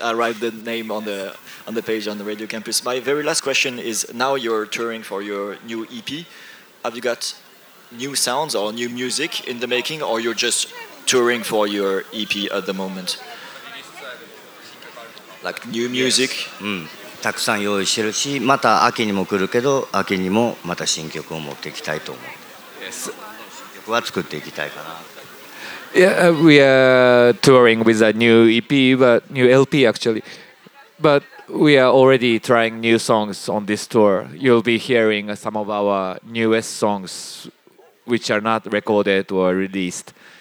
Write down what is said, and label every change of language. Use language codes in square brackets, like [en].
[en] I'll write the name on the page on the Radio Campus. My very last question is, now you're touring for your new EP. Have you got new sounds or new music in the making, or you're just touring for your EP at the moment? Like new music? Yes. [ja] たくさん用意してるし、また秋にも来るけど、秋にもまた新曲を持っていきたいと思う。 [en] Yes. [ja] 新曲は作っていきたいかな。 [en] Yeah, we are touring with a new EP, but new LP actually. But we are already trying new songs on this tour. You'll be hearing some of our newest songs, which are not recorded or released.